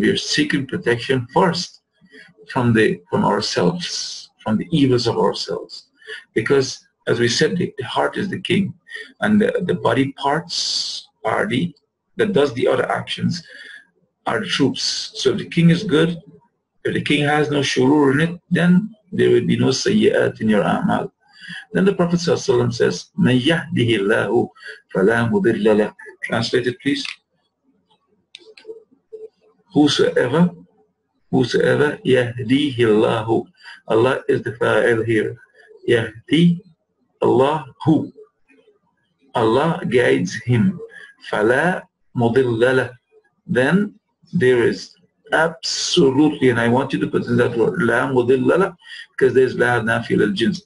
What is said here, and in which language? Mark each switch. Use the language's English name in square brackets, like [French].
[English] We are seeking protection first from ourselves, from the evils of ourselves, because as we said, the heart is the king, and the body parts are that does the other actions. Are the troops. So if the king is good, if the king has no shurur in it, then there will be no sayyi'at in your a'mal. Then the Prophet ﷺ says, [Arabic] مَنْ يَهْدِهِ اللَّهُ فَلَا مُضِلَّ لَهُ. [English] Translate it, please. Whosoever [Arabic] يَهْدِهِ اللَّهُ. [English] Allah is the fa'il here. [Arabic] يَهْدِ [English] Allah who. Allah guides him. [Arabic] فَلَا مُضِلَّ لَهُ. [English] Then there is absolutely, and I want you to put in that word, la mudillala, because there's la nafil al jins.